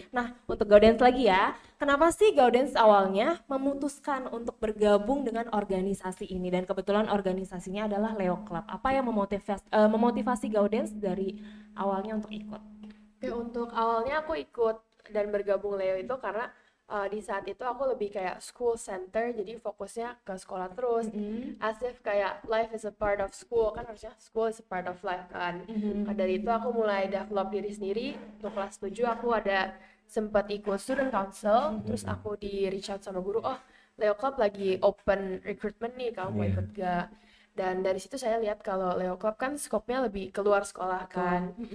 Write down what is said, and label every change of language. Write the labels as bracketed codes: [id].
[id] Nah, untuk Gaudens lagi ya, kenapa sih Gaudens awalnya memutuskan untuk bergabung dengan organisasi ini, dan kebetulan organisasinya adalah Leo Club. Apa yang memotivasi Gaudens dari awalnya untuk ikut? Oke, untuk awalnya aku ikut dan bergabung Leo itu karena di saat itu aku lebih kayak school center, jadi fokusnya ke sekolah terus. [en] As if [id] kayak [en] life is a part of school, [id] kan harusnya [en] school is a part of life kan. [id] Dari itu aku mulai develop diri sendiri. Untuk kelas 7 aku ada sempat ikut student council, terus aku di reach out sama guru, oh Leo Club lagi open recruitment nih, kamu mau ikut gak? Dan dari situ saya lihat kalau Leo Club kan scope-nya lebih keluar sekolah kan.